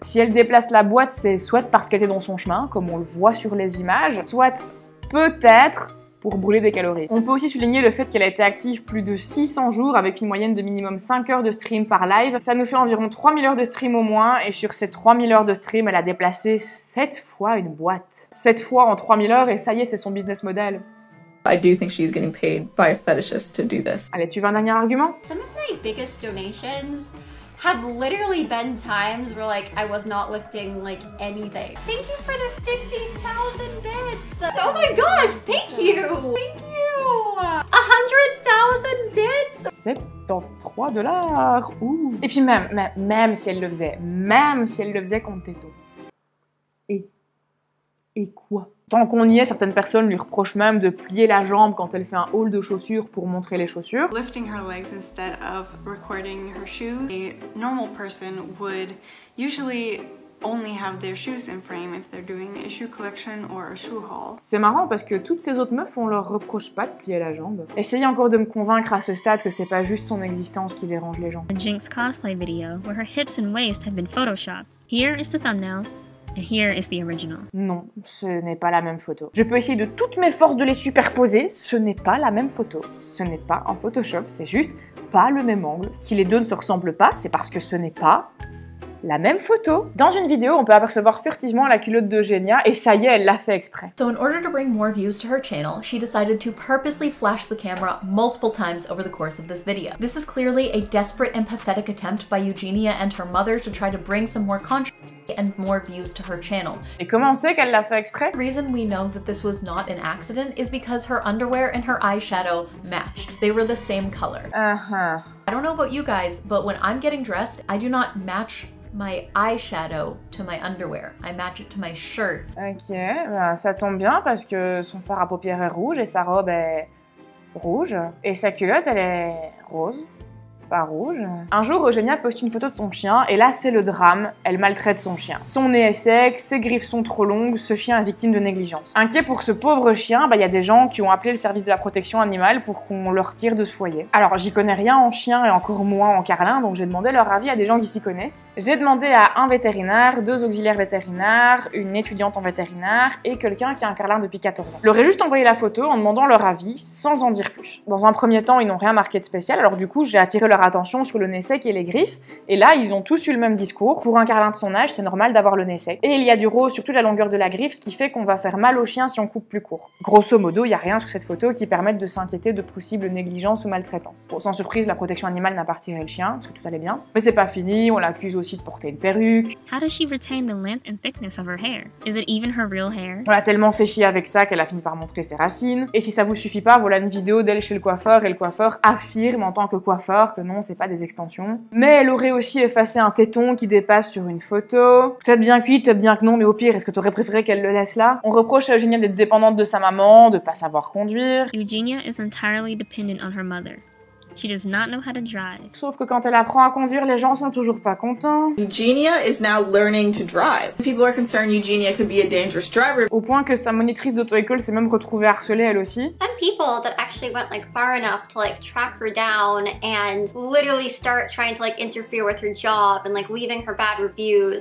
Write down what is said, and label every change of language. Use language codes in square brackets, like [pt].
[fr] Si elle déplace la boîte, c'est soit parce qu'elle était dans son chemin, comme on le voit sur les images, soit peut-être pour brûler des calories. On peut aussi souligner le fait qu'elle a été active plus de 600 jours avec une moyenne de minimum 5 heures de stream par live. Ça nous fait environ 3000 heures de stream au moins, et sur ces 3000 heures de stream, elle a déplacé 7 fois une boîte. 7 fois en 3000 heures, et ça y est, c'est son business model. [en] I do think she's getting paid by a fetishist to do this. [fr] Allez, tu veux un dernier argument? [en] Some of my biggest donations have literally been times where like I was not lifting like anything. Thank you for the 50,000 bits. Oh my gosh, thank you. Thank you. 100,000 bits. 73 dollars. [fr] Ouh. Et puis même si elle le faisait, même si elle le faisait compte tes dons. Et quoi? Tant qu'on y est, certaines personnes lui reprochent même de plier la jambe quand elle fait un haul de chaussures pour montrer les chaussures. [en] Lifting her legs instead of recording her shoes. A normal person would usually only have their shoes in frame if they're doing a shoe collection or a shoe haul. [fr] C'est marrant parce que toutes ces autres meufs, on leur reproche pas de plier la jambe. Essayez encore de me convaincre à ce stade que c'est pas juste son existence qui dérange les gens. [en] A Jinx cosplay video where her hips and waist have been photoshopped. Here is the thumbnail. And here is the original. [fr] Non, ce n'est pas la même photo. Je peux essayer de toutes mes forces de les superposer, ce n'est pas la même photo. Ce n'est pas en Photoshop, c'est juste pas le même angle. Si les deux ne se ressemblent pas, c'est parce que ce n'est pas la même photo. Dans une vidéo, on peut apercevoir furtivement la culotte d'Eugénia, et ça y est, elle l'a fait exprès. [en] So in order to bring more views to her channel, she decided to purposely flash the camera multiple times over the course of this video. This is clearly a desperate and pathetic attempt by Eugénia and her mother to try to bring some more content and more views to her channel. [fr] Et comment on sait qu'elle l'a fait exprès? [en] The reason we know that this was not an accident is because her underwear and her eyeshadow matched. They were the same color. I don't know about you guys, but when I'm getting dressed, I do not match my eyeshadow to my underwear. I match it to my shirt. [fr] Ok, ben ça tombe bien parce que son fard à paupières est rouge et sa robe est rouge. Et sa culotte, elle est rose. pas rouge. Un jour, Eugenia poste une photo de son chien, et là, c'est le drame, elle maltraite son chien. Son nez est sec, ses griffes sont trop longues, ce chien est victime de négligence. Inquiet pour ce pauvre chien, bah, y a des gens qui ont appelé le service de la protection animale pour qu'on leur tire de ce foyer. Alors, j'y connais rien en chien et encore moins en carlin, donc j'ai demandé leur avis à des gens qui s'y connaissent. J'ai demandé à un vétérinaire, deux auxiliaires vétérinaires, une étudiante en vétérinaire, et quelqu'un qui a un carlin depuis 14 ans. Leur ai juste envoyé la photo en demandant leur avis, sans en dire plus. Dans un premier temps, ils n'ont rien marqué de spécial, alors du coup, j'ai attiré leur attention sur le nez sec et les griffes, et là, ils ont tous eu le même discours. Pour un carlin de son âge, c'est normal d'avoir le nez sec. Et il y a du rose sur toute la longueur de la griffe, ce qui fait qu'on va faire mal au chien si on coupe plus court. Grosso modo, il n'y a rien sur cette photo qui permette de s'inquiéter de possibles négligences ou maltraitances. Bon, sans surprise, la protection animale n'a pas retiré le chien, parce que tout allait bien. Mais c'est pas fini, on l'accuse aussi de porter une perruque. [en] How does she retain the length and thickness of her hair? Is it even her real hair? [fr] On l'a tellement fait chier avec ça qu'elle a fini par montrer ses racines. Et si ça vous suffit pas, voilà une vidéo d'elle chez le coiffeur, et le coiffeur affirme en tant que coiffeur que non, c'est pas des extensions. Mais elle aurait aussi effacé un téton qui dépasse sur une photo. Peut-être bien cuite, peut-être bien que non, mais au pire, est-ce que t'aurais préféré qu'elle le laisse là? On reproche à Eugenia d'être dépendante de sa maman, de pas savoir conduire. [en] Eugenia is entirely dependent on her mother. She does not know how to drive. [fr] Sauf que quand elle apprend à conduire, les gens sont toujours pas contents. [en] Eugenia is now learning to drive. People are concerned Eugenia could be a dangerous driver. [fr] Au point que sa monitrice d'auto-école s'est même retrouvée harcelée elle aussi. [en] Some people that actually went like far enough to like track her down and literally start trying to like interfere with her job and like leaving her bad reviews.